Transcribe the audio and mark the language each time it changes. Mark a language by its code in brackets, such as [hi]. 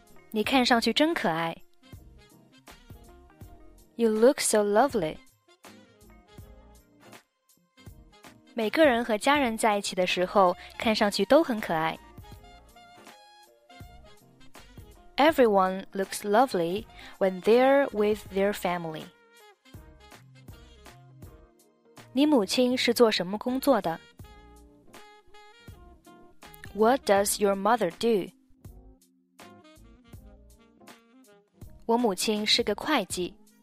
[zh] 你看上去真可爱。 [en] You look so lovely. [zh] 每个人和家人在一起的时候，看上去都很可爱。 [en] Everyone looks lovely when they're with their family. [zh] 你母亲是做什么工作的？ [en] What does your mother do? [zh] 我母亲是个会计。